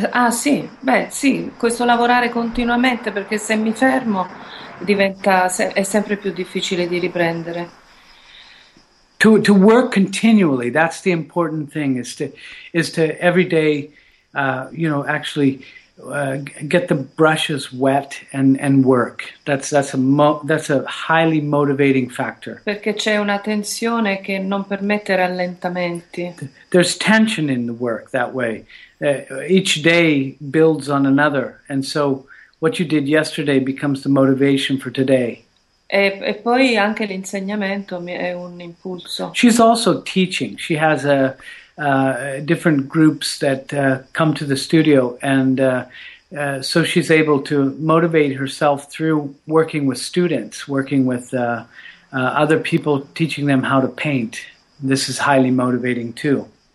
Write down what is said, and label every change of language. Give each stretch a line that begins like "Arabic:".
Italian: Sì, questo lavorare continuamente, perché se mi fermo è sempre più difficile di riprendere.
English: To work continually, that's the important thing, is to every day, get the brushes wet and work. That's a highly motivating factor.
Italian: Perché c'è una tensione che non permette rallentamenti.
English: There's tension in the work that way. Each day builds on another, and so what you did yesterday becomes the motivation for today.
Italian: E poi anche l'insegnamento è un impulso.
English: She's also teaching. She has different groups that come to the studio, and so she's able to motivate herself through working with students, working with other people, teaching them how to paint. This is highly motivating too.